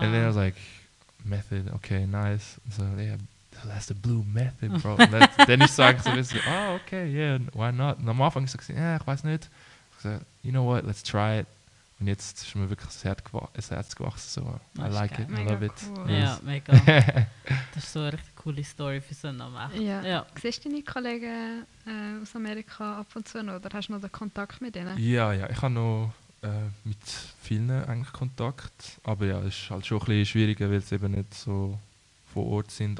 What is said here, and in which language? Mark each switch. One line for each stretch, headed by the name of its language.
English: And then I was like, method, okay, nice.
German: Und so,
English: yeah. That's the blue method, bro.
German: Und dann ist so eigentlich so, ah, oh,
English: okay, yeah, why not?
German: Und am Anfang ist so, ja, ich weiß nicht. Ich so,
English: you know what, let's try it.
German: Und jetzt ist mir wirklich das Herz gewachsen.
English: So, I like it,
German: mega
English: I love cool. Yes.
German: Ja, mega. Das ist so eine richtig coole Story für so einen Namen. Ja. Ja. Siehst du deine Kollegen aus Amerika ab und zu noch? Oder hast du noch den Kontakt mit ihnen? Ja, ich habe noch mit vielen eigentlich Kontakt. Aber ja, es ist halt schon ein bisschen schwieriger, weil sie eben nicht so vor Ort sind.